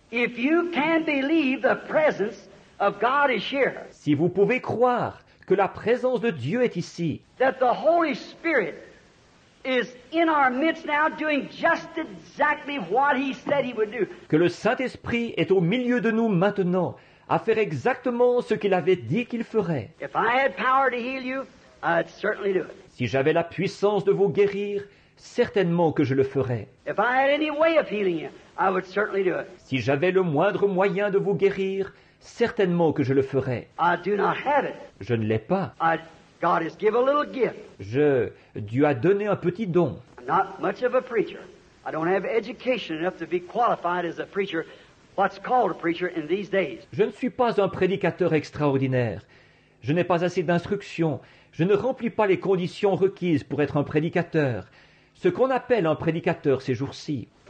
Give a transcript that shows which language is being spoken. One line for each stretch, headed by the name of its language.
English: If you can believe the presence of God is here.
French: Si vous pouvez croire que la présence de Dieu est ici.
English: That the Holy Spirit is in our midst now doing just exactly what he said he would do.
French: Que le Saint-Esprit est au milieu de nous maintenant à faire exactement ce qu'il avait dit qu'il ferait.
English: If I had power to heal you, I'd certainly do it.
French: Si j'avais la puissance de vous guérir, certainement que je le ferais.
English: If I had any way of healing you, I would certainly do it.
French: Si j'avais le moindre moyen de vous guérir, certainement que je le ferais.
English: I do not have it.
French: Je ne l'ai pas.
English: God has given a little gift.
French: Dieu a donné un petit don.
English: I'm not much of a preacher. I don't have education enough to be qualified as a preacher. what's called a preacher in these days.
French: Je ne suis pas un prédicateur extraordinaire. Je n'ai pas assez d'instruction. Je ne remplis pas les conditions requises pour être un prédicateur. Ce qu'on appelle un prédicateur ces jours-ci.